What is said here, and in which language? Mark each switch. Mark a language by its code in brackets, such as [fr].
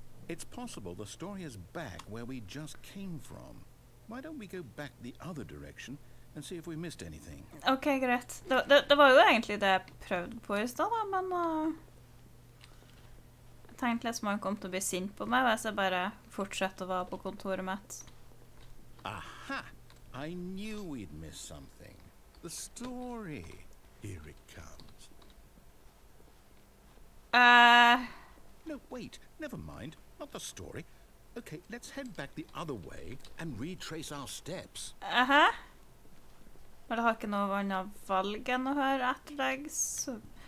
[en] It's possible the story is back where we just came from. Why don't we go back the other direction and see if we missed anything? Okay, great. [no] Det var jo egentlig det jeg prøvde på i sted, da, men... Jeg tenkte litt som han kom til å bli sint på meg hvis jeg bare fortsetter å være på kontoret mitt. [en] Aha! I knew we'd miss something. The story. Here it comes. No, wait. Never mind. Not the story. Okay, let's head back the other way and retrace our steps. [no] Men det har ikke noe annet valg enn å høre etter deg, så...